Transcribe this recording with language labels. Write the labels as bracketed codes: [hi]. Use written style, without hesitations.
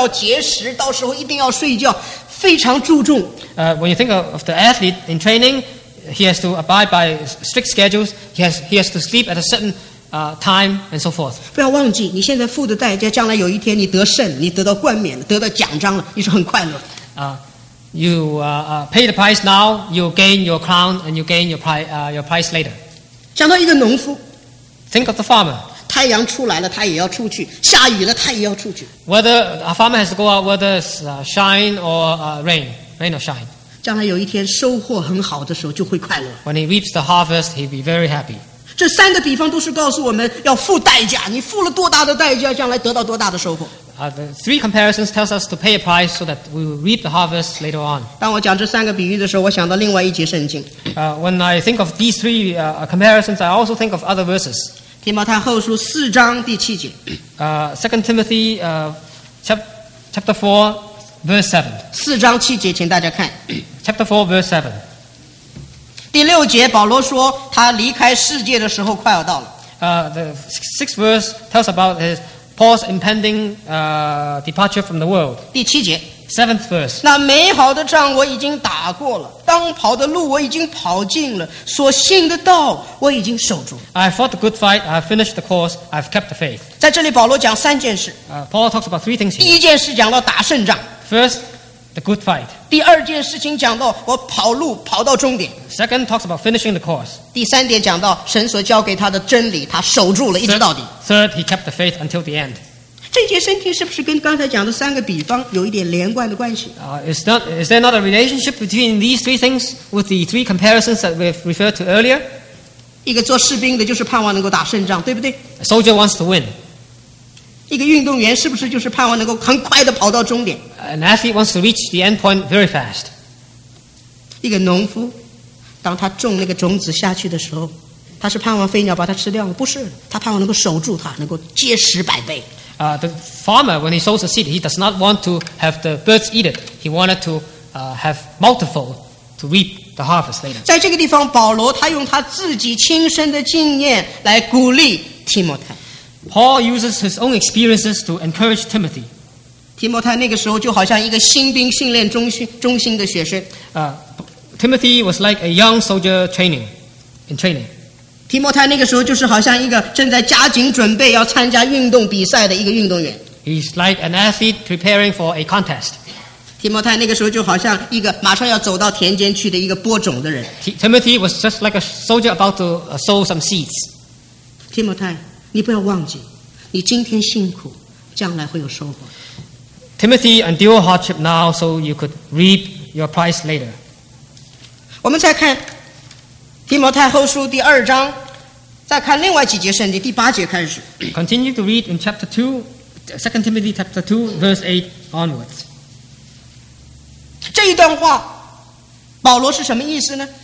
[zh] 哦,你想到这个运动员,他在练习的时候要节食,到时候一定要睡觉,非常注重。 [en] When you think of the athlete in training, he has to abide by strict schedules, he has to sleep at a certain time, and so forth. [zh] 不要忘记,你现在付的代价,将来有一天你得胜,你得到冠冕,得到奖章了,你是很快乐。 [en] Pay the price now, you'll gain your crown, and you'll gain your price later. [zh] 讲到一个农夫, [en] think of the farmer. [zh] 太阳出来了, 他也要出去, 下雨了, 他也要出去。 [en] Whether a farmer has to go out, whether it's shine or rain or shine. [zh] 将来有一天收获很好的时候就会快乐。 [en] When he reaps the harvest, he'll be very happy. [zh] 这三个比方都是告诉我们要付代价，你付了多大的代价，将来得到多大的收获。 [en] The three comparisons tells us to pay a price so that we will reap the harvest later on. [zh] 当我讲这三个比喻的时候，我想到另外一节圣经。 [en] When I think of these three comparisons, I also think of other verses. [zh] 提摩太后书四章第七节。 [en] Second Timothy chapter 4, verse 7. [zh] 四章七节，请大家看。 [en] Chapter 4, verse 7. [zh] 第六节，保罗说他离开世界的时候快要到了。 [en] The sixth verse tells about his Paul's impending departure from the world. [zh] 第七节 [en] ，seventh verse. [zh] 那美好的仗我已经打过了，当跑的路我已经跑尽了，所信的道我已经守住。 [en] I fought the good fight. I finished the course. I've kept the faith. [zh] 在这里，保罗讲三件事。 [en] Paul talks about three things. [zh] 第一件事讲到打胜仗。 [en] First. The good fight. [zh] 第二件事情讲到我跑路跑到终点。 [en] Second talks about finishing the course. [zh] 第三点讲到神所交给他的真理，他守住了一直到底。 [en] Third, he kept the faith until the end. [zh] 这节圣经是不是跟刚才讲的三个比方有一点连贯的关系？ [en] Is there not a relationship between these three things with the three comparisons that we've referred to earlier? [zh] 一个做士兵的就是盼望能够打胜仗，对不对？ [en] A soldier wants to win. [zh] 一个运动员是不是就是盼望能够很快地跑到终点？ [en] An athlete wants to reach the end point very fast. [zh] 一个农夫，当他种那个种子下去的时候，他是盼望飞鸟把它吃掉吗？不是，他盼望能够守住它，能够结实百倍。 [en] The farmer, when he sows a seed, he does not want to have the birds eat it. He wanted to have multiple to reap the harvest later. [zh] 在这个地方，保罗他用他自己亲身的经验来鼓励提摩太。 [en] Paul uses his own experiences to encourage Timothy. [zh] 提摩太那个时候就好像一个新兵训练中心的学生。 [en] Timothy was like a young soldier training. [zh] 提摩太那个时候就是好像一个正在加紧准备要参加运动比赛的一个运动员。 [en] He's like an athlete preparing for a contest. [zh] 提摩太那个时候就好像一个马上要走到田间去的一个播种的人。 [en] Timothy was just like a soldier about to sow some seeds. [zh] 提摩太。你不要忘记，你今天辛苦，将来会有收获。 [en] Timothy, endure hardship now so you could reap your prize later. [zh] 我们再看提摩太后书第二章，再看另外几节圣经，第八节开始。 [en] Continue to read in chapter 2, Second Timothy chapter 2, verse 8 onwards. [zh] 这一段话，保罗是什么意思呢？